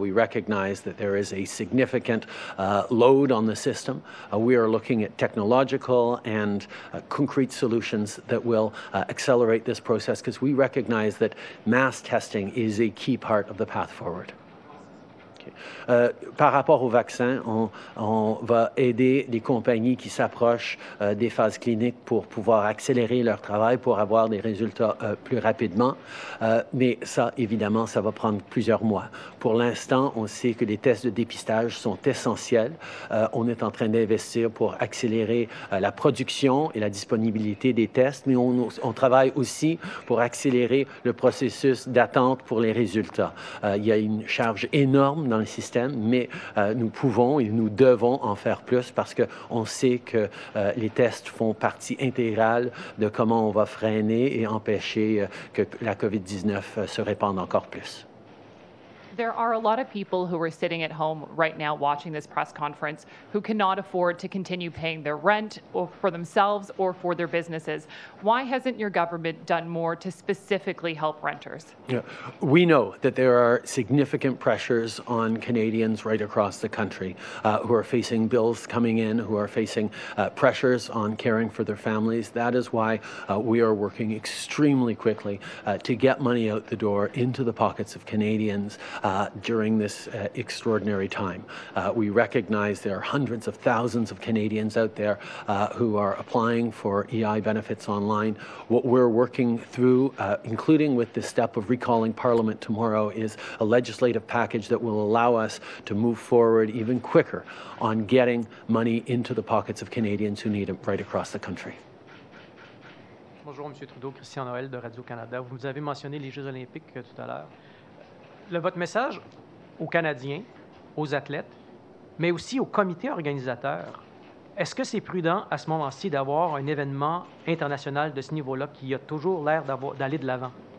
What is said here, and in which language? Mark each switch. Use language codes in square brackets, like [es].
[en] We recognize that there is a significant load on the system. We are looking at technological and concrete solutions that will accelerate this process because we recognize that mass testing is a key part of the path forward. [fr] Par rapport au vaccin, on va aider les compagnies qui s'approchent des phases cliniques pour pouvoir accélérer leur travail, pour avoir des résultats plus rapidement. Mais ça, évidemment, ça va prendre plusieurs mois. Pour l'instant, on sait que les tests de dépistage sont essentiels. On est en train d'investir pour accélérer la production et la disponibilité des tests, mais on travaille aussi pour accélérer le processus d'attente pour les résultats. Il y a une charge énorme dans le système, mais nous pouvons et nous devons en faire plus parce qu'on sait que les tests font partie intégrale de comment on va freiner et empêcher que la COVID-19 se répande encore plus. [en] There are a lot of people who are sitting at home right now watching this press conference who cannot afford to continue paying their rent or for themselves or for their businesses. Why hasn't your government done more to specifically help renters? Yeah. We know that there are significant pressures on Canadians right across the country who are facing bills coming in, who are facing pressures on caring for their families. That is why we are working extremely quickly to get money out the door into the pockets of Canadians during this extraordinary time. We recognize there are hundreds of thousands of Canadians out there who are applying for EI benefits online. What we're working through, including with the step of recalling Parliament tomorrow, is a legislative package that will allow us to move forward even quicker on getting money into the pockets of Canadians who need it right across the country. [fr] Bonjour, M. Trudeau, Christian Noël de Radio-Canada. Vous avez mentionné les Jeux Olympiques tout à l'heure. Votre message aux Canadiens, aux athlètes, mais aussi au comité organisateur, est-ce que c'est prudent à ce moment-ci d'avoir un événement international de ce niveau-là qui a toujours l'air d'aller de l'avant?